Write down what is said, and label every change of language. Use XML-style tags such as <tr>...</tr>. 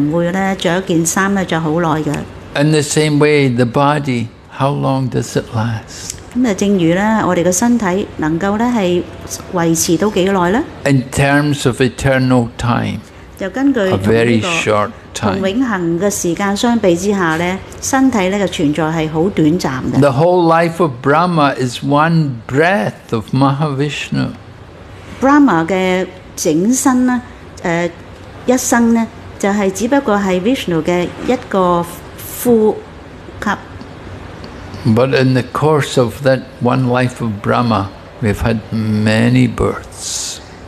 <zh>今时今日呢,人们不会穿一件衣服穿很久的。</zh> <en>And the same way, the body, how long does it last?</en> <zh>正如我们的身体能够维持多久呢?</zh> <en>In terms of eternal time, a very short time.</en> <zh>和永恒的时间相比之下,身体的存在是很短暂的。</zh> <en>The whole life of Brahma is one breath of Mahavishnu.</en> <zh>Brahma的整身,一生,就是只不过是Vishnu的一个呼吸。</zh> <en>But in the course of that one life of Brahma, we've had many births.</en>